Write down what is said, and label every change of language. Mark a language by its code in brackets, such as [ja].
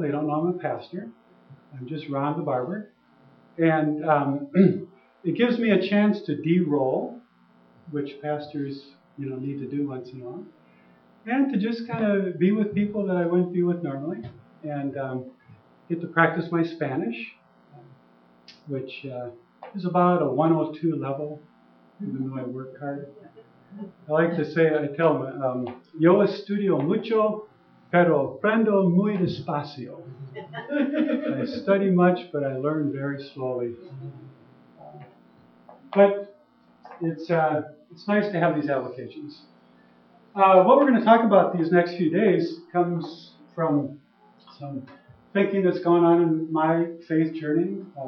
[en] They don't know I'm a pastor. I'm just Ron the barber, and it gives me a chance to de-roll, which pastors, you know, need to do once in a while, and to just kind of be with people that I wouldn't be with normally, and get to practice my Spanish, which is about a 102 level, even though I work hard. I like to say, I tell them, [es] yo estudio mucho, pero aprendo muy despacio. [en] I study much, but I learn very slowly. But it's nice to have these avocations. What we're going to talk about these next few days comes from some thinking that's going on in my faith journey.